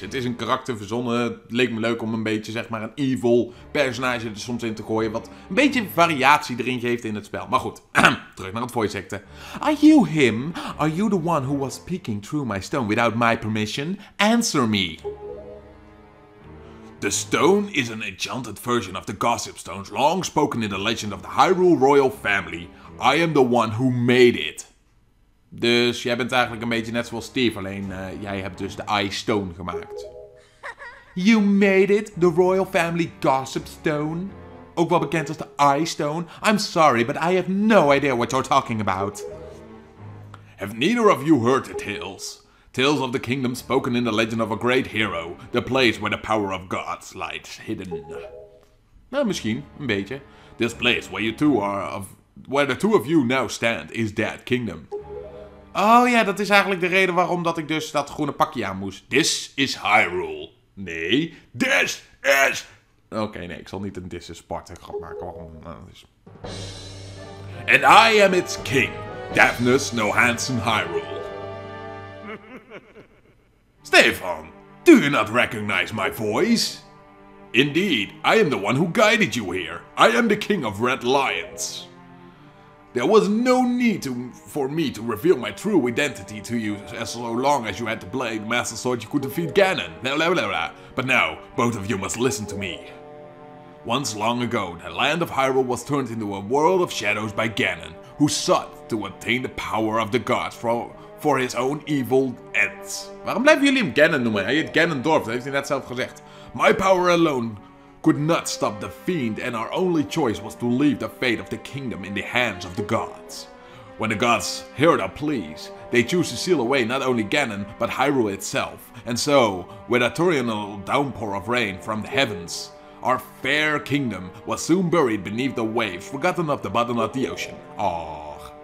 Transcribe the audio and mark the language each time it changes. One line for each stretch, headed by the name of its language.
Dutch: Het is een karakter verzonnen. Het leek me leuk om een beetje zeg maar een evil personage er soms in te gooien. Wat een beetje variatie erin geeft in het spel. Maar goed, terug naar het voice acten.
English: Are you him? Are you the one who was speaking through my stone without my permission? Answer me. The stone is an enchanted version of the gossip stones long spoken in the legend of the Hyrule royal family. I am the one who made it.
Dutch: Dus jij bent eigenlijk een beetje net zoals Steve, alleen jij hebt dus de Eye Stone gemaakt.
English: You made it, the royal family gossip stone.
Dutch: Ook wel bekend als de Eye Stone.
English: I'm sorry, but I have no idea what you're talking about. Have neither of you heard the tales? Tales of the kingdom spoken in the legend of a great hero. The place where the power of gods lies hidden.
Dutch: Nou, misschien, een beetje.
English: This place where you two are of, where the two of you now stand is that kingdom.
Dutch: Oh ja, dat is eigenlijk de reden waarom dat ik dus dat groene pakje aan moest.
English: This is Hyrule. Nee, this is...
Dutch: Okay, nee, ik zal niet een
English: this is Sparta
Dutch: grap maken. Waarom?
English: And I am its king, Daphnus Nohansen Hyrule. Stefan, do you not recognize my voice? Indeed, I am the one who guided you here. I am the king of Red Lions. There was no need for me to reveal my true identity to you as so long as you had the blade Master Sword you could defeat Ganon. Blah, blah, blah, blah. But now, both of you must listen to me. Once long ago, the land of Hyrule was turned into a world of shadows by Ganon, who sought to obtain the power of the gods for his own evil ends.
Dutch: Waarom blijven jullie hem Ganon noemen? Hij heet Ganondorf, dat heeft hij net zelf gezegd.
English: My power alone could not stop the fiend, and our only choice was to leave the fate of the kingdom in the hands of the gods. When the gods heard our pleas, they chose to seal away not only Ganon, but Hyrule itself. And so, with a torrential downpour of rain from the heavens, our fair kingdom was soon buried beneath the waves, forgotten of the bottom of the ocean. Aww.